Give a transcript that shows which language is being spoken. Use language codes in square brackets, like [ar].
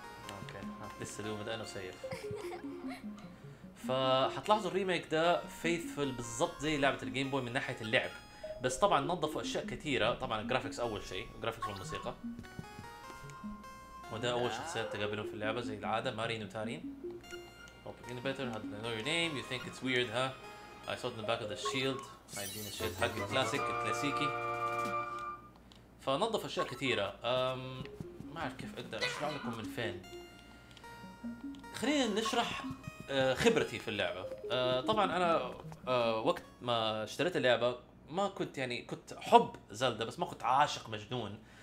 [ar] اوكي لسه دوم بدأنا وسيف. فحتلاحظوا الريميك ده فيثفل بالضبط زي لعبة الجيم بوي من ناحية اللعب، بس طبعا نظفوا أشياء كثيرة. طبعا الجرافيكس أول شيء، الجرافيكس والموسيقى، وده أول شخصيات تقابلهم في اللعبة زي العادة، مارين وتارين. [en] Hope you're better, I know your name, you think it's weird, huh? I saw it in the back of the shield. I did a shield hug classic, classic. [ar] فنظف أشياء كثيرة. ما أعرف كيف أقدر أشرح لكم من فين. خلينا نشرح خبرتي في اللعبة. طبعاً أنا وقت ما اشتريت اللعبة ما كنت يعني كنت حب زلدا بس ما كنت عاشق مجنون.